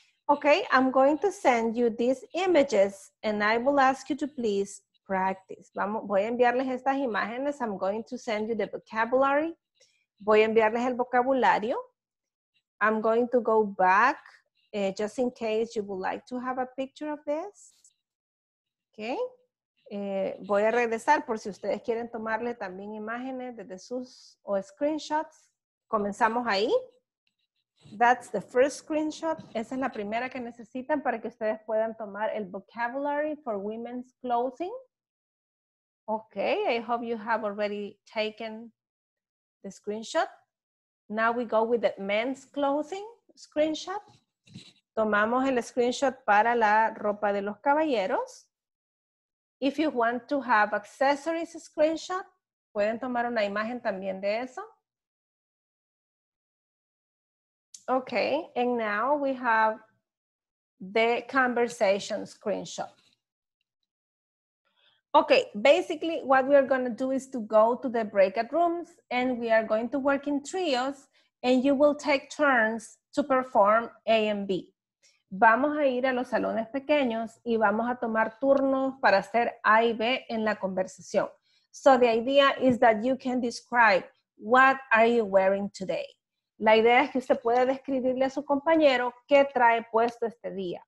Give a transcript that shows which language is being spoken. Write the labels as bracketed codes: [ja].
[en] Okay, I'm going to send you these images and I will ask you to please practice. [es] Voy a enviarles estas imágenes. [en] I'm going to send you the vocabulary. [es] Voy a enviarles el vocabulario. [en] I'm going to go back. Just in case you would like to have a picture of this. Okay. [es] Voy a regresar por si ustedes quieren tomarle también imágenes desde sus o screenshots. Comenzamos ahí. [en] That's the first screenshot. [es] Esa es la primera que necesitan para que ustedes puedan tomar el [en] vocabulary for women's clothing. Okay. I hope you have already taken the screenshot. Now we go with the men's clothing screenshot. [es] Tomamos el screenshot para la ropa de los caballeros. [en] If you want to have accessories screenshot, [es] pueden tomar una imagen también de eso. [en] Okay, and now we have the conversation screenshot. Okay, basically what we are going to do is to go to the breakout rooms and we are going to work in trios and you will take turns to perform A and B. [es] Vamos a ir a los salones pequeños y vamos a tomar turnos para hacer A y B en la conversación. [en] So the idea is that you can describe what are you wearing today. [es] La idea es que usted pueda describirle a su compañero qué trae puesto este día.